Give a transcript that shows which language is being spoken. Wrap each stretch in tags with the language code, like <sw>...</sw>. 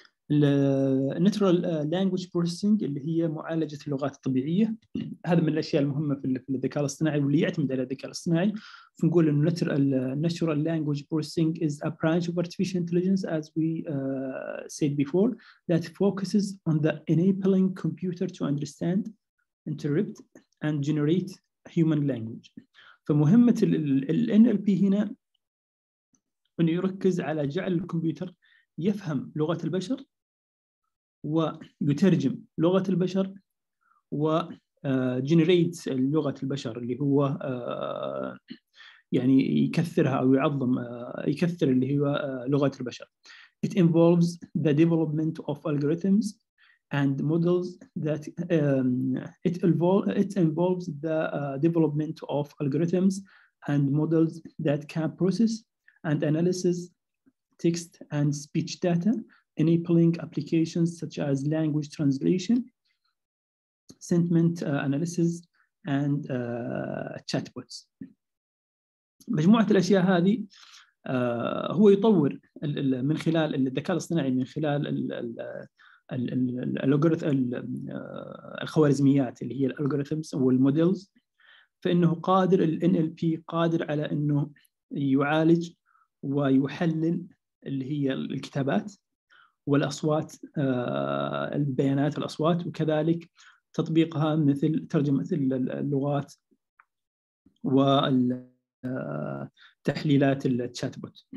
<ar>الـ Natural Language Processing اللي هي معالجة اللغات الطبيعية, هذا من الأشياء المهمة في الذكاء الاصطناعي واللي يعتمد على الذكاء الاصطناعي. فنقول إنه</ar> <en>Natural Language Processing is a branch of artificial intelligence as we said before that focuses on the enabling computer to understand, interpret and generate human language.</en> <ar>فمهمة الـ NLP هنا إنه يركز على جعل الكمبيوتر يفهم لغة البشر ويترجم لغة البشر وجنريت لغة البشر اللي هو يعني يكثرها أو يعظم يكثر اللي هو لغة البشر.</ar> <en>It involves the development of algorithms and models that can process and analysis text and speech data, enabling applications such as language translation, sentiment analysis, and chatbots.</en> <ar>مجموعة الأشياء هذه هو يطور من خلال الذكاء الاصطناعي من خلال الخوارزميات اللي هي algorithms والmodels, فإنه قادر الـ NLP قادر على إنه يعالج ويحلل اللي هي الكتابات والأصوات البيانات الأصوات وكذلك تطبيقها مثل ترجمة اللغات وتحليلات الشات بوت.</ar>